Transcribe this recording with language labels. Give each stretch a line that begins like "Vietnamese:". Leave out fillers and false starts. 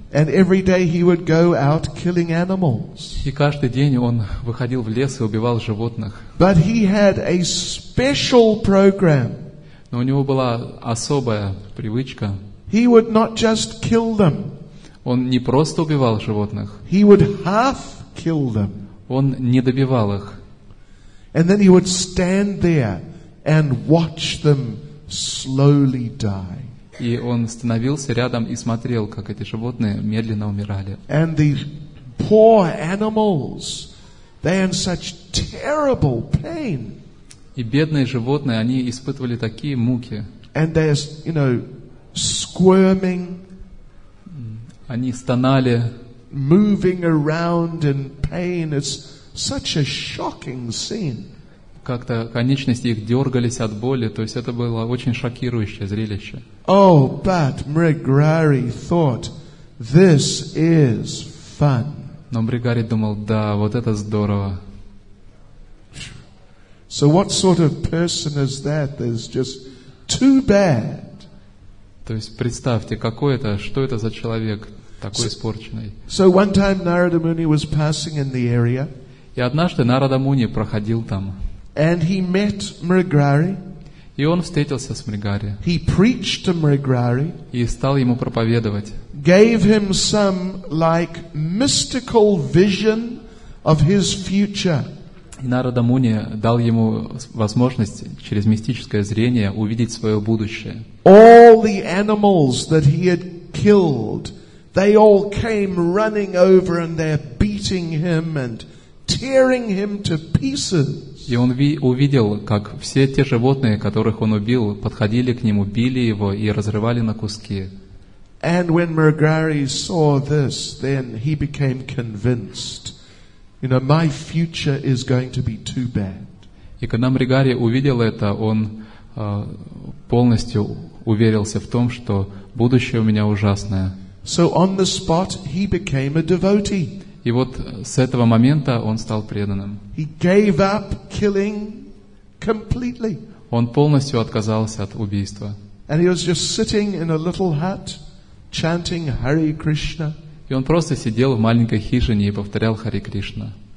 English: And every day he would go out killing animals.
Russian: И каждый день он выходил в лес и убивал животных.
English: But he had a special program.
Russian: Но у него была особая привычка.
English: He would not just kill them.
Russian: Он не просто убивал животных.
English: He would half kill them.
Russian: Он не добивал их.
English: And then he would stand there and watch them slowly die.
Russian: И он становился рядом и смотрел, как эти животные медленно умирали.
English: And the poor animals, they in such terrible pain.
Russian: И бедные животные, они испытывали такие муки.
English: And they, you know, squirming.
Russian: Они стонали.
English: Moving around in pain. It's such a shocking scene.
Russian: Как-то конечности их дергались от боли, то есть это было очень шокирующее зрелище.
English: Oh, but Mrigari thought this is fun.
Russian: Но Мригари думал: да, вот это здорово.
English: So what sort of person is that? It's just too bad.
Russian: То есть представьте, какой это, что это за человек такой испорченный.
English: So one time Narada Muni was passing in the area.
Russian: И однажды Нарада Муни проходил там.
English: And he met Mrigari.
Russian: И он встретился с Мригари.
English: He preached to Mrigari.
Russian: И стал ему проповедовать.
English: Gave him some like mystical vision of his future.
Russian: И Нарада Муни дал ему возможность через мистическое зрение увидеть свое будущее.
English: All the animals that he had killed, they all came running over and they're beating him and tearing him to pieces.
Russian: И он увидел, как все те животные, которых он убил, подходили к нему, били его и разрывали на куски.
English: And when Mrigari saw this, then he became convinced. You know, my future is going to be too bad.
Russian: И когда Мригари увидел это, он полностью уверился в том, что будущее у меня ужасное.
English: So on the spot he became a devotee.
Russian: И вот с этого момента он стал преданным.
English: He gave up killing completely.
Russian: Он полностью отказался от убийства.
English: And he was just sitting in a little hut, chanting Hare Krishna.
Russian: И он просто сидел в маленькой хижине и повторял Хари Кришна.